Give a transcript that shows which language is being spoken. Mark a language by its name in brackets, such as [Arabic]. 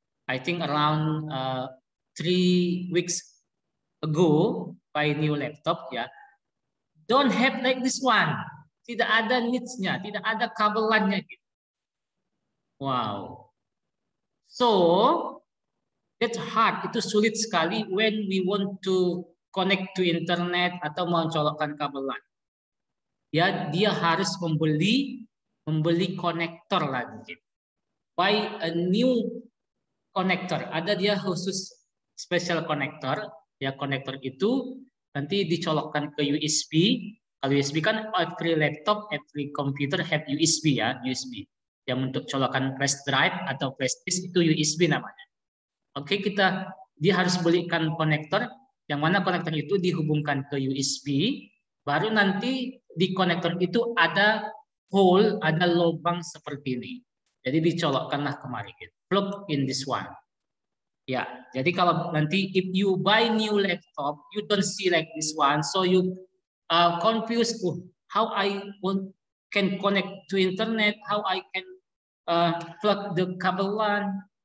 [English] I think around 3 weeks ago buy new laptop ya. Yeah. Don't have like this one. [Indonesian] Tidak ada needs-nya, tidak ada kabelannya gitu. [English] Wow. So that's hard. [Indonesian] Itu sulit sekali [English] when we want to connect to internet [Indonesian] atau mau colokkan kabel LAN. Ya, dia harus membeli konektor lagi. [English] Buy a new connector. [Indonesian] Ada dia khusus special connector. Ya, connector itu nanti dicolokkan ke USB. Kalau USB kan [English] every laptop, every computer have USB [Indonesian] ya, USB. Yang untuk colokan flash drive atau flash disk itu USB namanya. Oke, kita dia harus belikan konektor yang mana konektor itu dihubungkan ke USB, baru nanti di konektor itu ada hole, ada lubang seperti ini. Jadi dicolokkanlah kemari gitu. [English] Plug in this one. [Indonesian] Ya, jadi kalau nanti [English] if you buy new laptop, you don't see like this one, so you confused, oh, how I can connect to internet, how I can plug the cable one.